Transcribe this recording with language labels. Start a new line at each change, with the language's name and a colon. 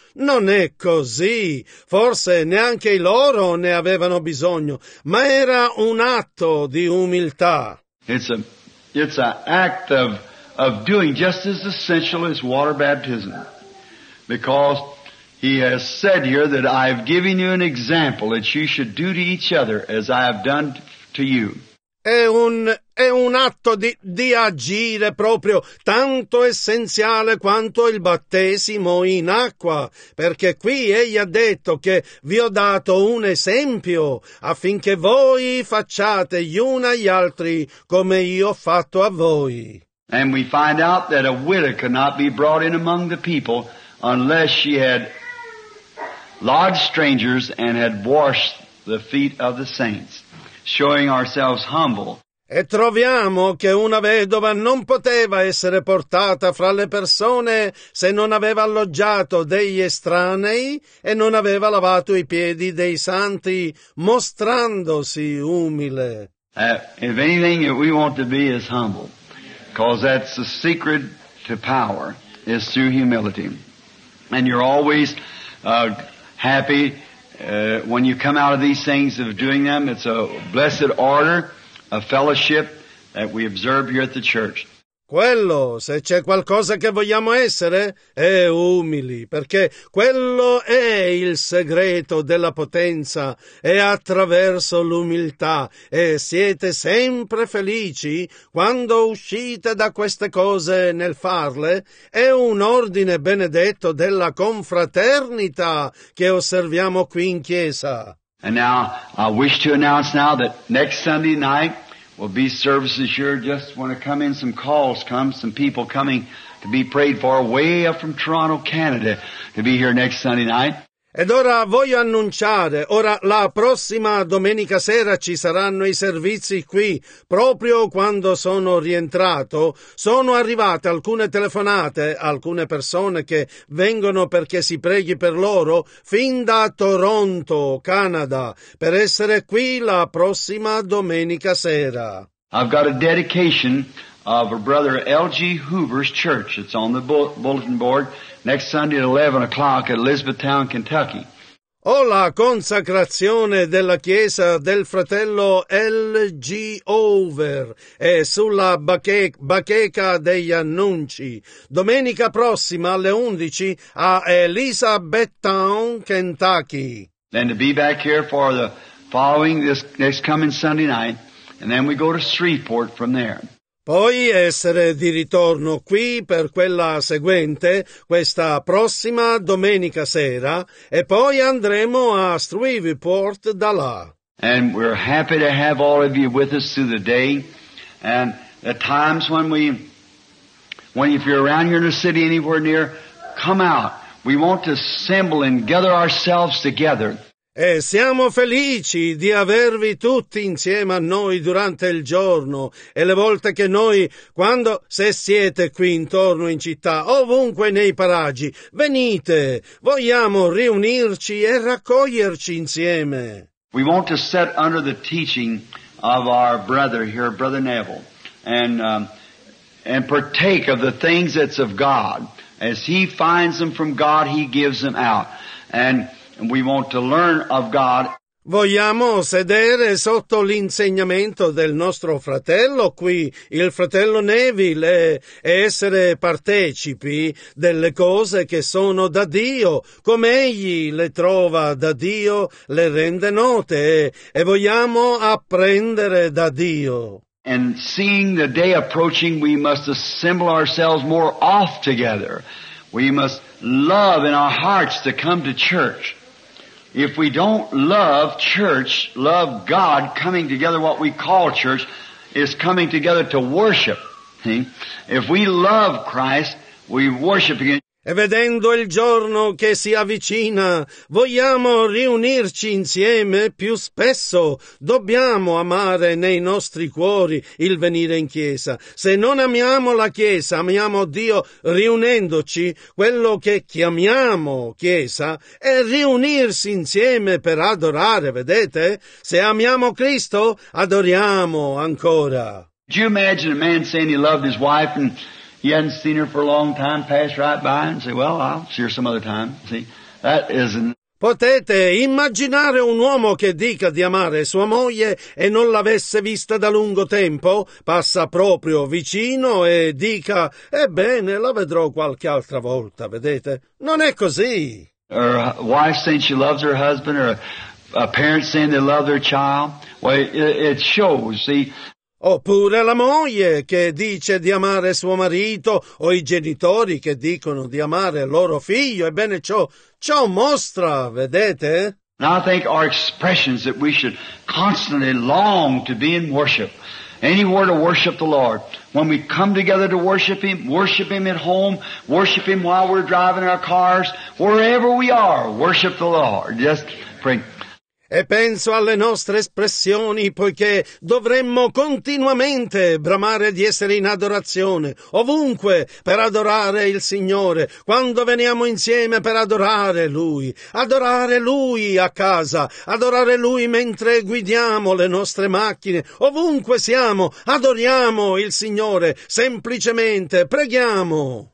Italian: Non è così. Forse neanche i loro ne avevano bisogno. Ma era un atto di umiltà.
English: It's a act of doing just as essential as water baptism. Because he has said here that I have given you an example that you should do to each other as I have done to you.
Italian: È un è un atto di agire proprio tanto essenziale quanto il battesimo in acqua, perché qui egli ha detto che vi ho dato un esempio affinché voi facciate gli uni agli altri come io ho fatto a voi.
English: And we find out that a widow could not be brought in among the people unless she had lodged strangers and had washed the feet of the saints, showing ourselves humble.
Italian: E troviamo che una vedova non poteva essere portata fra le persone se non aveva alloggiato degli estranei e non aveva lavato i piedi dei santi, mostrandosi umile.
English: If anything, we want to be as humble. Because that's the secret to power, is through humility. And you're always happy when you come out of these things, of doing them. It's a blessed order, a fellowship that we observe here at the church.
Italian: Quello, se c'è qualcosa che vogliamo essere, è umili, perché quello è il segreto della potenza, è attraverso l'umiltà, e siete sempre felici quando uscite da queste cose nel farle, è un ordine benedetto della confraternita che osserviamo qui in chiesa.
English: And now, I wish to announce now that next Sunday night, will be services here. Just want to come in, some calls come, some people coming to be prayed for way up from Toronto, Canada, to be here next Sunday night.
Italian: Ed ora voglio annunciare, ora la prossima domenica sera ci saranno i servizi qui, proprio quando sono rientrato, sono arrivate alcune telefonate, alcune persone che vengono perché si preghi per loro, fin da Toronto, Canada, per essere qui la prossima domenica sera.
English: I've got a dedication of a brother L.G. Hoover's church. It's on the bulletin board next Sunday at 11 o'clock at Elizabethtown, Kentucky.
Italian: Ho la consacrazione della chiesa del fratello L.G. Hoover e sulla bacheca degli annunci. Domenica prossima alle 11 a Elizabethtown, Kentucky.
English: Then to be back here for the following, this next coming Sunday night, and then we go to Shreveport from there.
Italian: Poi essere di ritorno qui per quella seguente, questa prossima domenica sera, e poi andremo a Shreveport da là.
English: And we're happy to have all of you with us through the day. And at times when if you're around here in the city anywhere near, come out. We want to assemble and gather ourselves together.
Italian: E siamo felici di avervi tutti insieme a noi durante il giorno e le volte che noi, quando se siete qui intorno in città, ovunque nei paraggi, venite, vogliamo riunirci e raccoglierci insieme.
English: We want to sit under the teaching of our brother here, Brother Neville, and partake of the things that's of God. As he finds them from God, he gives them out. And we want to learn of God.
Italian: Vogliamo sedere sotto l'insegnamento del nostro fratello qui, il fratello Neville, e essere partecipi delle cose che sono da Dio, come egli le trova da Dio, le rende note, e vogliamo apprendere da Dio.
English: And seeing the day approaching, we must assemble ourselves more oft together. We must love in our hearts to come to church. If we don't love church, love God, coming together, what we call church, is coming together to worship. If we love Christ, we worship again.
Italian: E vedendo il giorno che si avvicina, vogliamo riunirci insieme più spesso. Dobbiamo amare nei nostri cuori il venire in chiesa. Se non amiamo la chiesa, amiamo Dio riunendoci, quello che chiamiamo chiesa è riunirsi insieme per adorare, vedete? Se amiamo Cristo, adoriamo ancora.
English: Do you imagine a man saying he loved his wife and he hadn't seen her for a long time, pass right by and say, well, I'll see her some other time. See, that isn't...
Italian: Potete immaginare un uomo che dica di amare sua moglie e non l'avesse vista da lungo tempo, passa proprio vicino e dica, ebbene, la vedrò qualche altra volta, vedete? Non è così.
English: Her wife saying she loves her husband, or a parent saying they love their child. Well, it shows, see...
Italian: Oppure la moglie che dice di amare suo marito, o i genitori che dicono di amare loro figlio, ebbene ciò mostra, vedete?
English: Now I think our expressions that we should constantly long to be in worship, anywhere to worship the Lord. When we come together to worship Him at home, worship Him while we're driving our cars, wherever we are, worship the Lord. Just pray.
Italian: E penso alle nostre espressioni, poiché dovremmo continuamente bramare di essere in adorazione, ovunque, per adorare il Signore, quando veniamo insieme per adorare Lui a casa, adorare Lui mentre guidiamo le nostre macchine, ovunque siamo, adoriamo il Signore, semplicemente preghiamo.